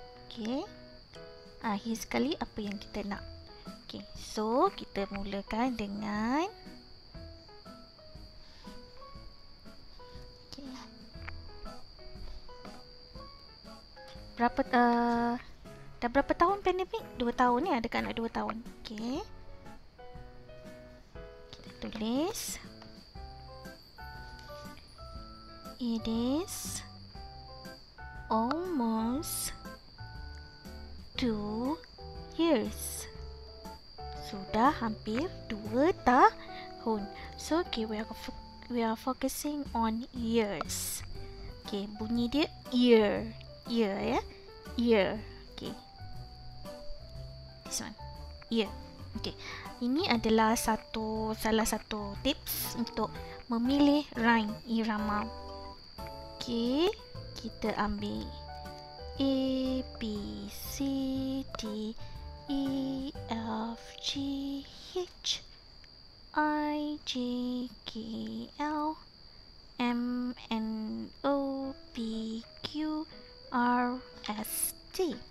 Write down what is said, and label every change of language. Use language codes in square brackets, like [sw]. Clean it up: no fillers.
[ms] Okay, akhir sekali apa yang kita nak. Okay, so kita mulakan dengan okay. Berapa dah berapa tahun pandemik? 2 tahun ni, ada anak 2 tahun. [en] Okay, [ms] tulis, [en] it is almost 2 years. [ms] Sudah hampir 2 tahun. [en] So, okay, we are focusing on years. [ms] Okay, bunyi dia ear, ear, ya, ear. [en] Okay, this one, ear. [ms] Okay, ini adalah salah satu tips untuk memilih rhyme irama. Okay, kita ambil A, B, C, D, E, F, G, H, I, J, K, L, M, N, O, P, Q, R, S, T.